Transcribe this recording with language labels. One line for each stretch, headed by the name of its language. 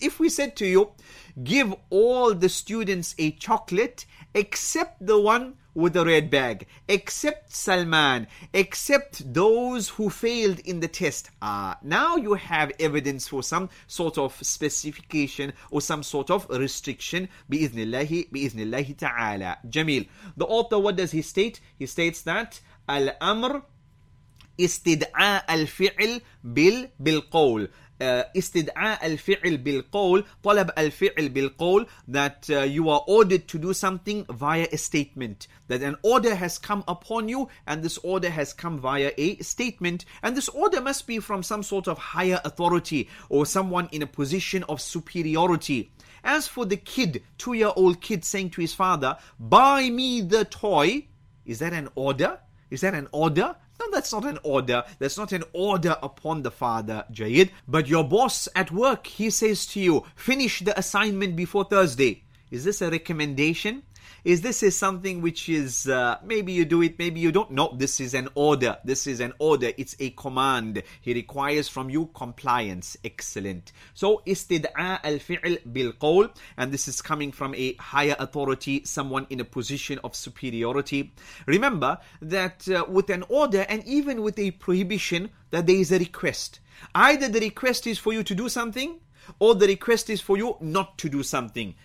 English: If we said to you, give all the students a chocolate except the one with the red bag, except Salman, except those who failed in the test. Now you have evidence for some sort of specification or some sort of restriction.
Arabic: بإذن الله تعالى. Jameel.
English: The author, what does he state? He states that
Arabic: الأمر استدعاء الفعل بالقول. استدعاء الفعل بالقول, طلب الفعل بالقول,
English: that you are ordered to do something via a statement. That an order has come upon you, and this order has come via a statement. And this order must be from some sort of higher authority or someone in a position of superiority. As for the kid, 2-year-old kid, saying to his father, buy me the toy. Is that an order? Is that an order? No, that's not an order. That's not an order upon the father, Jayid. But your boss at work, he says to you, finish the assignment before Thursday. Is this a recommendation? Is this is something which is, maybe you do it, maybe you don't? No, this is an order. This is an order. It's a command. He requires from you compliance. Excellent.
Arabic: So, استدعاء الفعل بالقول.
English: And this is coming from a higher authority, someone in a position of superiority. Remember that with an order and even with a prohibition, that there is a request. Either the request is for you to do something, or the request is for you not to do something.